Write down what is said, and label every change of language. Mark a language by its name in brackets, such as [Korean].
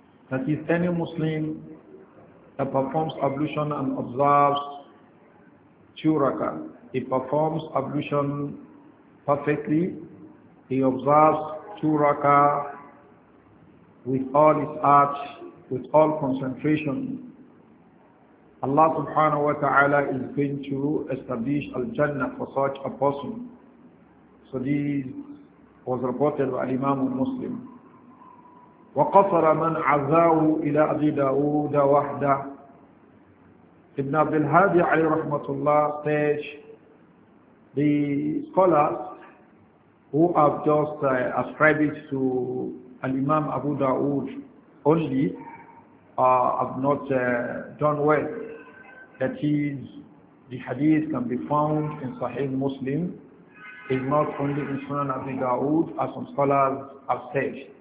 [English] That is, any Muslim that performs ablution and observes two rak'ah, he performs ablution perfectly, he observes two rak'ah with all his heart, with all concentration, Allah subhanahu wa ta'ala is going to establish Al-Jannah for such a person. So this was reported by Imam Muslim. [Arabic] وقصر من عزاه إلى أبي داود وحده. [English] Ibn Abdul Hadi [Arabic] عليه رحمة الله [English] says the scholars who have just ascribed to Imam Abu Daud only have not done well. That is, the hadith can be found in Sahih Muslim, is not only in Sunan Abi Dawud, as some scholars have said.